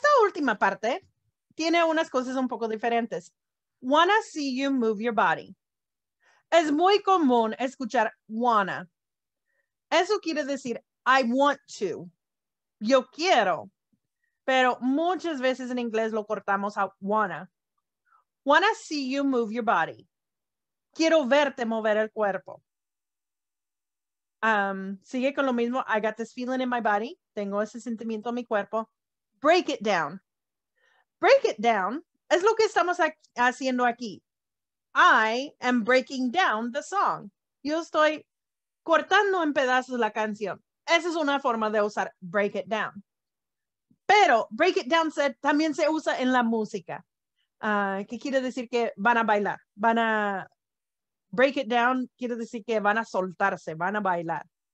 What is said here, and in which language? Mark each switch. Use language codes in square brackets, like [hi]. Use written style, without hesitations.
[es] Última parte tiene unas cosas un poco diferentes. [en] Wanna see you move your body. [es] Es muy común escuchar wanna. Eso quiere decir [en] I want to. [es] Yo quiero. Pero muchas veces en inglés lo cortamos a wanna. [en] Wanna see you move your body. [es] Quiero verte mover el cuerpo. Sigue con lo mismo. [en] I got this feeling in my body. [es] Tengo ese sentimiento en mi cuerpo. [en] Break it down. Break it down [es] es lo que estamos haciendo aquí. [en] I am breaking down the song. [es] Yo estoy cortando en pedazos la canción. Esa es una forma de usar break it down. Pero break it down también se usa en la música. ¿Qué quiere decir que van a bailar? Van a break it down, quiere decir que van a soltarse, van a bailar.